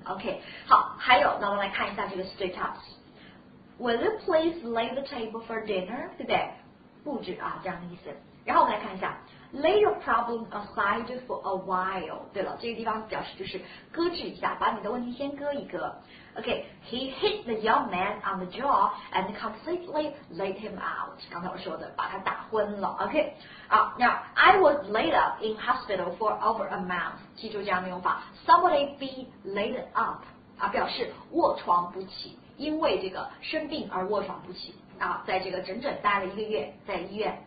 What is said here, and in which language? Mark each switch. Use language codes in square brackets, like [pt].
[en] OK， [zh] 好，还有，那我们来看一下这个 [en] straight up， will you please lay the table for dinner， [zh] 对不对？布置啊，这样的意思。然后我们来看一下。 [en] Lay your problem aside for a while. [zh] 对了，这个地方表示就是搁置一下，把你的问题先搁一搁。 [en] Okay, he hit the young man on the jaw and completely laid him out. [zh] 刚才我说的，把他打昏了。 [en] Okay, now I was laid up in hospital for over a month. [zh] 记住这样的用法 ， [en] somebody be laid up [zh] 啊，表示卧床不起，因为这个生病而卧床不起。啊，在这个整整待了一个月在医院。